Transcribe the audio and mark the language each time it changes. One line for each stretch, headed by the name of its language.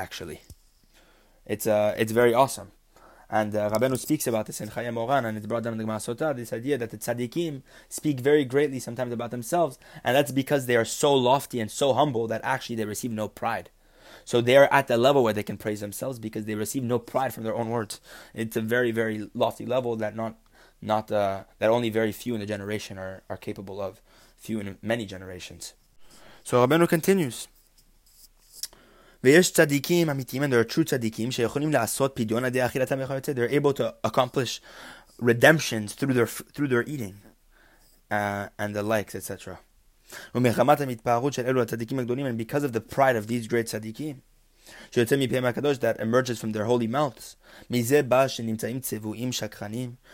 English: Actually, it's very awesome. And Rabbeinu speaks about this in Chaya Moran, and it's brought down in the Gemara Sotah, this idea that the tzaddikim speak very greatly sometimes about themselves, and that's because they are so lofty and so humble that actually they receive no pride. So they are at the level where they can praise themselves because they receive no pride from their own words. It's a very, very lofty level that that only very few in the generation are capable of, few in many generations. So Rabbeinu continues.
Hebrew: ויש צדיקים אמיתיים,
English: and there are true
Hebrew: צדיקים שיכולים לעשות פדיון עדי אכילת המחויצה.
English: They're able to accomplish redemptions through their eating and the likes, etc.
Hebrew: ומחמת המתפארות של אלו הצדיקים הגדולים,
English: and because of the pride of these great
Hebrew: צדיקים שיוצא מפיהם הקדוש,
English: that emerges from their holy mouths,
Hebrew: מזה בא שנמצאים צבועים שקרנים.